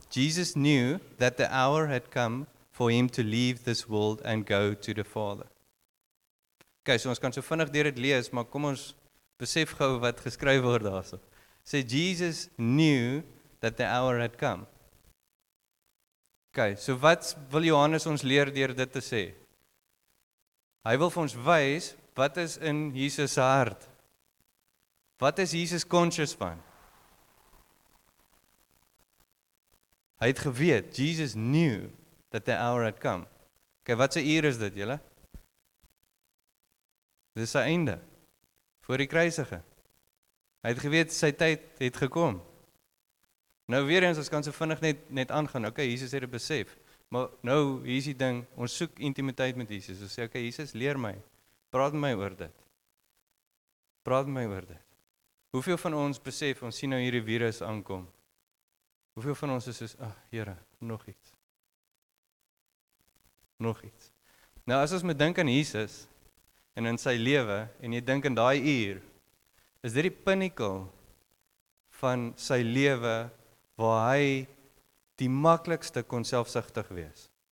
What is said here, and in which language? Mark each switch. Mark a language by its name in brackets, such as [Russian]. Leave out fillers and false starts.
[English] Jesus knew that the hour had come for him to leave this world and go to the Father. [Afrikaans] Okay, so ons kan so vinnig deur dit lees, maar kom ons besef gou wat geskryf word daarso. [English] Sê Jesus knew that the hour had come. [Afrikaans] Okay, so wat wil Johannes ons leer deur dit te sê? Hy wil vir ons wys wat is in Jesus se hart. Wat is Jesus conscious van? Hy het geweet, [English] Jesus knew that the hour had come. [Afrikaans] Okay, wat 'n uur is dit, julle? Dis sy einde, voor die kruisige. Hy het geweet, sy tyd het gekom. Nou weer eens, ons kan so vinnig net aangaan, okay, Jesus het dit besef. Maar nou, hier is die ding, ons soek intimiteit met Jesus. Ons sê, okay, Jesus, leer my, praat met my oor dit. Praat met my oor dit. Hoeveel van ons besef, ons sien nou hierdie virus aankom? Hoeveel van ons is soos, ah, Here, nog iets. Nog iets. Nou, as ons moet dink aan Jesus, en in sy lewe, en jy dink aan daai uur, is dit die pinnacle van sy lewe, waar hy die maklikste kon selfsugtig wees.